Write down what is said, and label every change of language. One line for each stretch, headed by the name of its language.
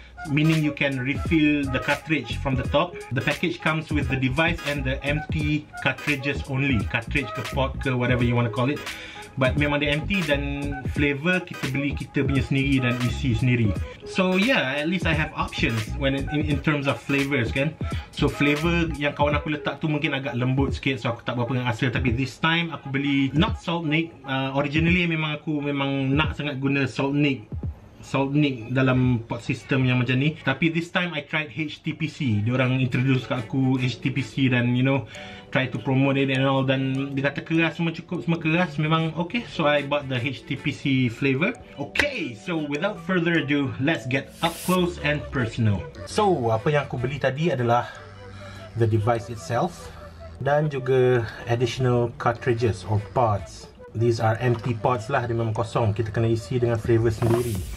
English: Meaning you can refill the cartridge from the top. The package comes with the device and the empty cartridges only. Cartridge ke pot ke whatever you want to call it. But
Malay: memang dia empty dan flavor kita beli kita punya sendiri dan isi sendiri.
English: So yeah, at least I have options when in terms of flavors kan. So
Malay: flavor yang kawan aku letak tu mungkin agak lembut sikit, so aku tak berapa dengan asal. Tapi
English: this time
Malay: aku beli
English: not salt nick. Originally
Malay: memang aku memang nak sangat guna salt nick.
English: Salt nick
Malay: dalam
English: pot system
Malay: yang macam ni. Tapi
English: this time I tried HTPC.
Malay: Diorang
English: introduce
Malay: kat aku
English: HTPC
Malay: dan
English: you know, try to promote it and all.
Malay: Dan dia kata keras, semua cukup, semua keras. Memang
English: okay, so I bought the HTPC flavor. Okay, so without further ado, let's get up close and personal.
Malay: So, apa yang aku beli tadi adalah
English: the device itself
Malay: dan juga
English: additional cartridges or pods. These are empty pods
Malay: lah, dia memang kosong. Kita kena isi dengan flavor sendiri.